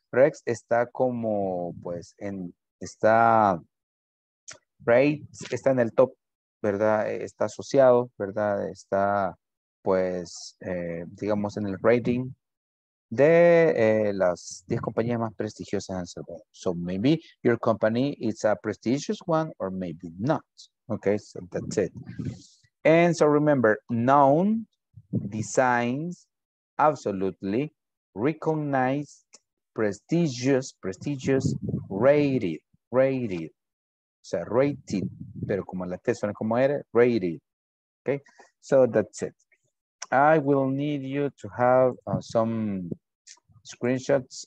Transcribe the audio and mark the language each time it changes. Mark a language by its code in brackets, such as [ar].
[es] Rex está como, pues, está en el top. ¿Verdad? Está asociado, ¿verdad? Está, pues, digamos, en el rating de las 10 compañías más prestigiosas en el mundo. [en] So, maybe your company is a prestigious one or maybe not. Okay, so that's it. And so, remember, known, designs, absolutely, recognized, prestigious, rated. [es] O sea, rated, pero como la T suena como R, rated. [en] Okay, so that's it. I will need you to have some screenshots.